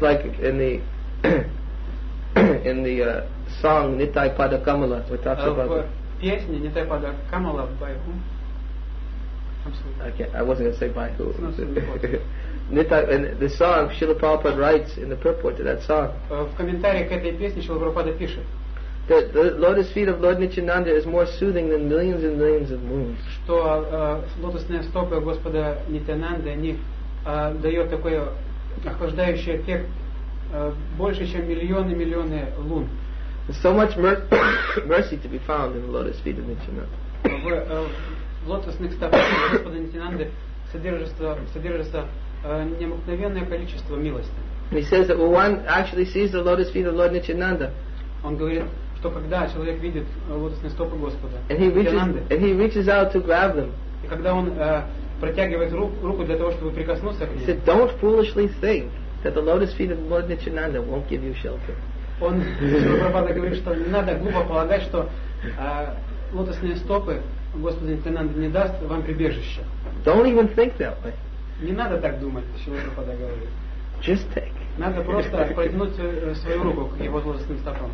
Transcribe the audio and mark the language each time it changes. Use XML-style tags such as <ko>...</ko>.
<en>like in the song Nitai Pada Kamala, we talked about. Песня Nitai Pada Kamala by whom? Okay, I wasn't going to say by who. It's not Nitai, and the song Srila Prabhupada writes in the purport to that song.</en> <ru>В комментариях к этой песне Шрила Прабхупада пишет.</ru> <en>The lotus feet of Lord Nityananda is more soothing than millions and millions of moons.</en> <ru>Что лотосные стопы Господа Нитянанды, они дают такой охлаждающий эффект больше, чем миллионы и миллионы лун.</ru> <en>There's so much mercy to be found in the lotus feet of Nityananda.</en> <ru>В лотосных стопах Господа Нитянанды содержится необыкновенное количество милости.</ru> <en>He says that when one actually sees the lotus feet of Lord Nityananda,</en> <ru>он говорит, что когда человек видит лотосные стопы Господа,</ru> <en>and he reaches out to grab them,</en> <ru>и когда он протягивает руку для того, чтобы прикоснуться к ним,</ru> <en>he said, don't foolishly think that the lotus feet of Lord Nityananda won't give you shelter.</en> <ru>Он Шрила говорит, что не надо глупо полагать, что лотосные стопы Господа Нитянанды не даст вам прибежище.</ru> <en>Don't even think that way.</en> <ru>Не надо так думать, Шрила Прабхупада говорит.</ru> <en>Just take.</en> <ru>Надо просто протянуть свою руку к его лотосным стопам.</ru>